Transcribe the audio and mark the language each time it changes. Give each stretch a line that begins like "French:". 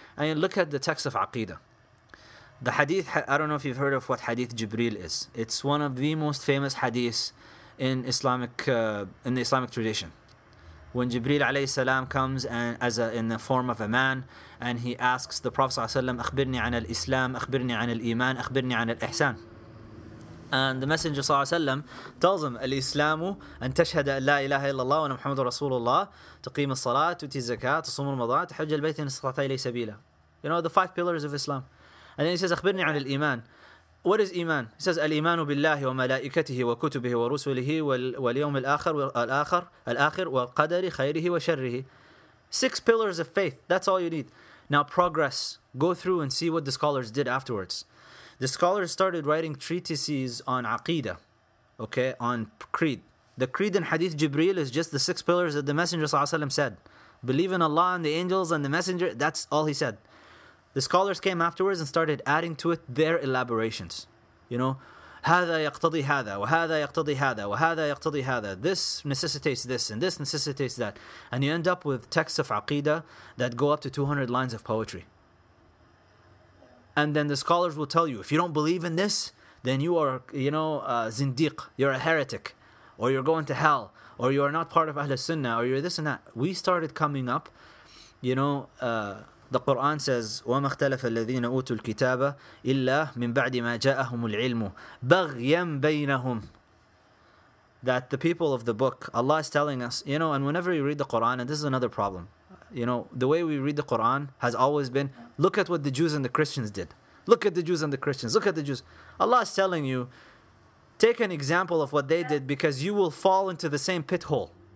English: I mean, look at the text of Aqidah. The hadith, I don't know if you've heard of what hadith Jibril is. It's one of the most famous hadiths in Islamic in the Islamic tradition. When Jibril alayhi salam comes and as a, in the form of a man, and he asks the Prophet sallallahu alayhi wa sallam,
Arabic: أخبرني عن الإسلام, أخبرني عن الإيمان, أخبرني عن الإحسان.
English: And the Messenger sallallahu alayhi wa sallam tells him,
Arabic: الإسلامُ أن تشهد أن لا إله إلا الله وأن محمد رسول الله, تقيم الصلاة, تؤتي الزكاة, تصوم رمضان, تحج البيت إن استطعت إليه سبيلا.
English: You know, the five pillars of Islam. And then he says,
Arabic: أخبرني عن الإيمان.
English: What is Iman? He says,
Arabic: الإيمان بالله وملائكته وكتبه ورسله واليوم الآخر والآخر الآخر والقدر خيره وشره.
English: Six pillars of faith. That's all you need. Now progress. Go through and see what the scholars did afterwards. The scholars started writing treatises on Aqidah. Okay, on creed. The creed in Hadith Jibreel is just the six pillars that the Messenger ﷺ said. Believe in Allah and the angels and the Messenger. That's all he said. The scholars came afterwards and started adding to it their elaborations. You know,
Arabic: هذا يقتضي هذا وهذا يقتضي هذا وهذا يقتضي هذا.
English: This necessitates this and this necessitates that. And you end up with texts of Aqidah that go up to 200 lines of poetry. And then the scholars will tell you, if you don't believe in this, then you are, you know, zindiq, you're a heretic, or you're going to hell, or you are not part of Ahlul Sunnah, or you're this and that. We started coming up, you know, the Quran says,
Arabic: وَمَا اخْتَلَفَ الَّذِينَ أُوتُوا الْكِتَابَ إِلَّا مِنْ بَعْدِ مَا جَاءَهُمُ الْعِلْمُ بَغْيًا بَيْنَهُمْ.
English: That the people of the book, Allah is telling us, you know, and whenever you read the Quran, and this is another problem, you know, the way we read the Quran has always been, look at what the Jews and the Christians did. Look at the Jews and the Christians. Look at the Jews. Allah is telling you, take an example of what they did because you will fall into the same pit hole.